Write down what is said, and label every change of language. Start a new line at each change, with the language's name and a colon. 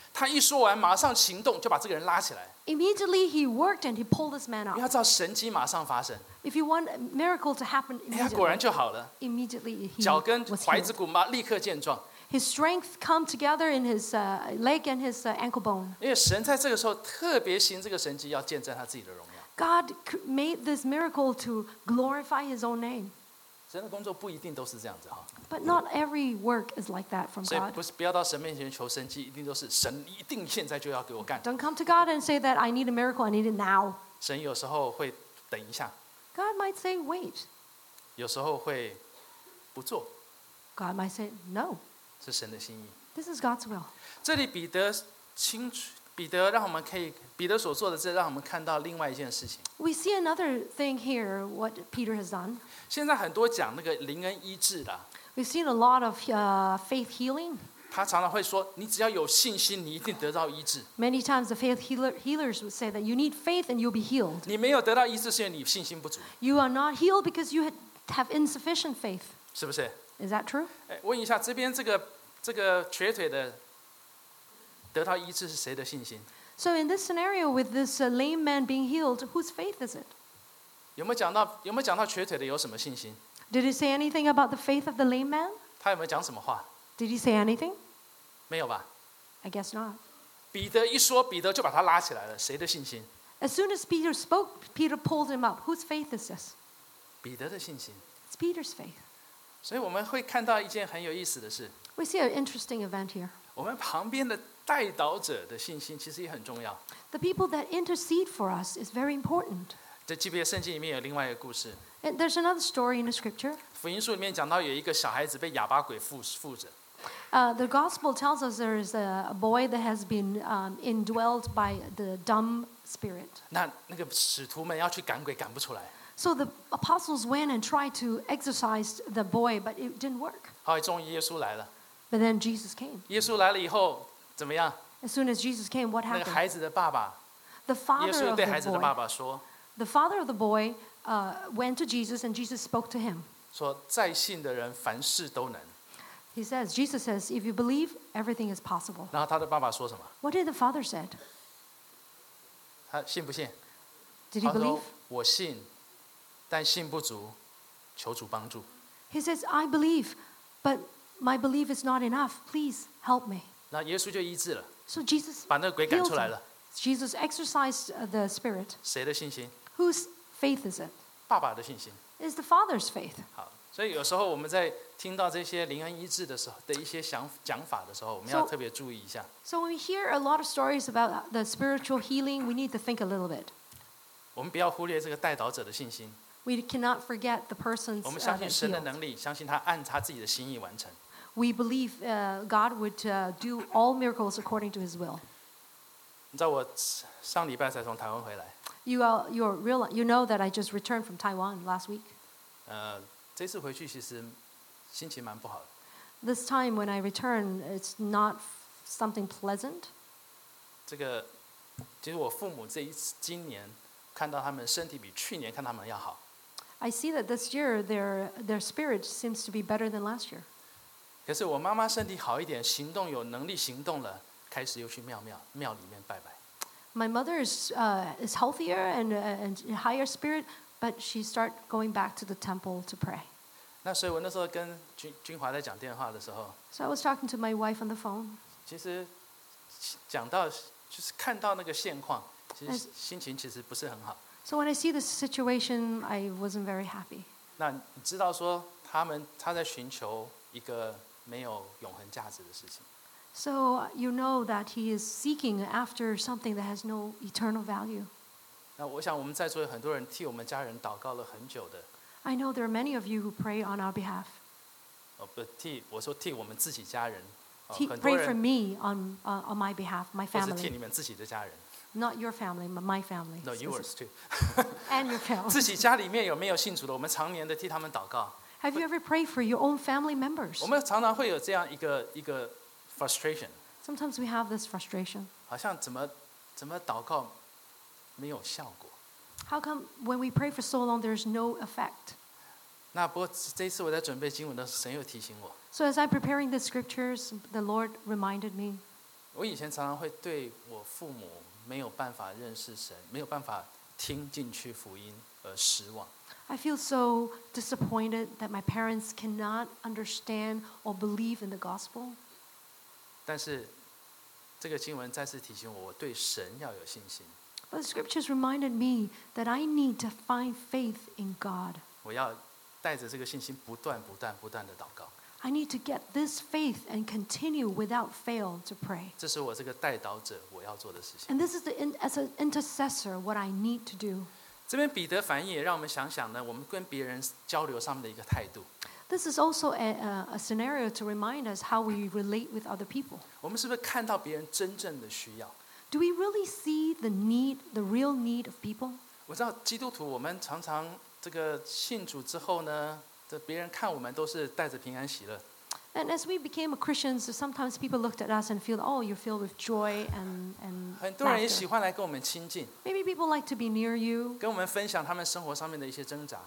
Chinese: 他一说完，马上行动，就把这个人拉起来。
English: Immediately he worked and he pulled this man up.
Chinese: 要知道神迹马上发生。
English: If you want a miracle to happen immediately,
Chinese: 果然就好了。
English: Immediately he was healed.
Chinese: 脚跟踝子骨马立刻健壮。
English: His strength come together in his leg and his ankle bone.
Chinese: 因为神在这个时候特别行这个神迹，要见证他自己的荣耀。
English: God made this miracle to glorify His own name.
Chinese: 神的工作不一定都是这样子哈。
English: But not every work is like that from God.
Chinese: 所以不是不要到神面前求神迹，一定都是神一定现在就要给我干。
English: Don't come to God and say that I need a miracle. I need it now.
Chinese: 神有时候会等一下。
English: God might say wait.
Chinese: 有时候会不做。
English: God might say no.
Chinese: 是神的心意。
English: This is God's will.
Chinese: 这里彼得清楚。彼得所做的，这让我们看到另外一件事情。
English: We see another thing here, what Peter has done.
Chinese: 现在很多讲那个灵恩医治的。
English: We've seen a lot of faith healing.
Chinese: 他常常会说，你只要有信心，你一定得到医治。
English: Many times the faith healers would say that you need faith and you'll be healed.
Chinese: 你没有得到医治，是因为你信心不足。
English: You are not healed because you have insufficient faith.
Chinese: 是不是？
English: Is that true?
Chinese: 问一下，这边这个瘸腿的得到医治是谁的信心？
English: So in this scenario with this lame man being healed, whose faith is it?
Chinese: 有没有讲到瘸腿的有什么信心？
English: Did he say anything about the faith of the lame man?
Chinese: 他有没有讲什么话？
English: Did he say anything?
Chinese: 没有吧？
English: I guess not.
Chinese: 彼得一说，彼得就把他拉起来了，谁的信心？
English: As soon as Peter spoke, Peter pulled him up. Whose faith is this?
Chinese: 彼得的信心。
English: It's Peter's faith.
Chinese: 所以我们会看到一件很有意思的事。
English: We see an interesting event here.
Chinese: 我们旁边的代祷者的信心其实也很重要。
English: The people that intercede for us is very important.
Chinese: 这记别圣经里面有另外一个故事。
English: And there's another story in the scripture.
Chinese: 福音书里面讲到有一个小孩子被哑巴鬼附着。
English: The gospel tells us there is a boy that has been indwelled by the dumb spirit.
Chinese: 那个使徒们要去赶鬼，赶不出来。
English: So the apostles went and tried to exorcise the boy, but it didn't work.
Chinese: 好，终于耶稣来了。
English: But then Jesus came.
Chinese: 耶稣来了以后。怎么样？
English: As soon as Jesus came, what happened?
Chinese: 那个孩子的爸爸，
English: the father
Chinese: 耶稣对孩子的爸爸说
English: The father of the boy went to Jesus and Jesus spoke to him.
Chinese: 说在信的人凡事都能。
English: He says, Jesus says, if you believe, everything is possible.
Chinese: 然后他的爸爸说什么？
English: What did the father said?
Chinese: 他信不信？
English: Did he believe?
Chinese: 他说我信，但信不足，求主帮助。
English: He says, I believe, but my belief is not enough. Please help me.
Chinese: 那耶稣就医治了，
English: so、Jesus
Chinese: 把那个鬼赶出来了。
English: Jesus exercised the spirit.
Chinese: 谁的信心？
English: Whose faith is it?
Chinese: 爸爸的信心。
English: Is the father's faith?
Chinese: 好，所以有时候我们在听到这些灵恩医治的时候的一些讲法的时候，我们要特别注意一下。
English: So when we hear a lot of stories about the spiritual healing, we need to think a little bit.
Chinese: 我们不要忽略这个代祷者的信心。
English: We cannot forget the person's.
Chinese: 我们相信神的能力，相信他按他自己的心意完成。
English: We believe God would do all miracles according to His will.
Chinese: 你知道我上礼拜才从台湾回来。
English: You know that I just returned from Taiwan last week.
Chinese: 这次回去其实心情蛮不好的。
English: This time when I return, it's not something pleasant.
Chinese: 这个其实我父母这一次今年看到他们身体比去年看他们要好。
English: I see that this year their spirit seems to be better than last year.
Chinese: 可是我妈妈身体好一点，行动有能力行动了，开始又去庙里面拜拜。
English: My mother is healthier and higher spirit, but she start going back to the temple to pray.
Chinese: 那所以我那时候跟君华在讲电话的时候
English: ，So I was talking to my wife on the phone.
Chinese: 其实讲到就是看到那个现况，其实心情其实不是很好。
English: So when I see the situation, I wasn't very happy.
Chinese: 那你知道说他在寻求。一个没有永恒价值的事情。
English: So you know that he is seeking after something that has no eternal value.
Chinese: 那我想我们在座有很多人替我们家人祷告了很久的。
English: I know there are many of you who pray on our behalf.
Chinese: 我说替我们自己家人。
English: Pray for me on my behalf, my family.
Chinese: 或是替你们自己的家人。
English: Not your family, but my family. No, yours too. And your family.
Chinese: 自己家里面有没有信主的，我们常年的替他们祷告。
English: Have you ever prayed for your own family members?
Chinese: 我们常常会有这样一个 frustration.
English: Sometimes we have this frustration.
Chinese: 好像怎么祷告没有效果。
English: How come when we pray for so long, there's no effect?
Chinese: 那不过这次我在准备经文的时候，神又提醒我。
English: So as I'm preparing the scriptures, the Lord reminded me.
Chinese: 我以前常常会对我父母没有办法认识神，没有办法听进去福音而失望。
English: I feel so disappointed that my parents cannot understand or believe in the gospel.
Chinese: 但是这个经文再次提醒我，我对神要有信心。
English: But the scriptures reminded me that I need to find faith in God.
Chinese: 我要带着这个信心不断不断不断的祷告。
English: I need to get this faith and continue without fail to pray.
Chinese: 这是我这个代祷者我要做的事情。
English: And this is the, as an intercessor what I need to do.
Chinese: 这边彼得反应也让我们想想呢，我们跟别人交流上面的一个态度。
English: This is also a scenario to remind us how we relate with other people.
Chinese: 我们是不是看到别人真正的需要？
English: Do we really see the need, the real need of people?
Chinese: 我知道基督徒我们常常这个信主之后呢，这别人看我们都是带着平安喜乐。
English: And as we became a Christian, so sometimes people looked at us and feel, oh, you're filled with joy and
Chinese: 很多人也喜欢来跟我们亲近。
English: Maybe people like to be near you.
Chinese: 跟我们分享他们生活上面的一些挣扎。